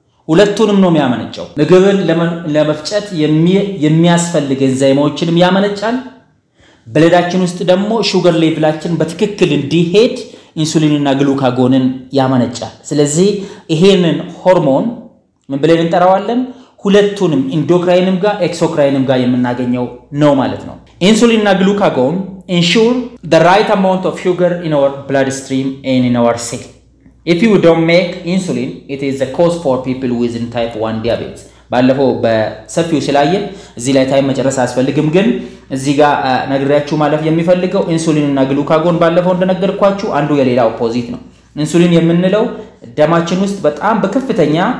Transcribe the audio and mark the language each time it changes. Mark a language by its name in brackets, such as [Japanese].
[Amharic] ሁለቱንም ነው የሚያመነጨው። ምግብን ለመፍጨት የሚያስፈልግ ኤንዛይሞችንም ያመነጫል። በልዳችን ውስጥ ደግሞ ሹገር ሌቭላችን በትክክል እንዲሄድ ኢንሱሊን እና ግሉካጎንን ያመነጫል። ስለዚህ ይሄንን ሆርሞን ምን ብለን እንጠራዋለን? ሁለቱንም ኢንዶክራይንም ጋር ኤክሶክራይንም ጋር የምናገኘው ነው ማለት ነው። ኢንሱሊን እና ግሉካጎን [English] ensure the right amount of sugar in our bloodstream and in our cell. If you don't make insulin, it is a cause for people with type 1 diabetes. [Amharic] ባለፈው በሰፊው ስለያየን እዚህ ላይ ታይም መጨረስ አስፈልግም፣ ግን እዚህ ጋር ነግሬያችሁ ማለፍ የሚፈልገው ኢንሱሊን እና ግሉካጎን ባለፈው እንደነገርኳችሁ አንዱ የሌላው ኦፖዚት ነው። ኢንሱሊን የምንለው ደማችን ውስጥ በጣም በከፍተኛ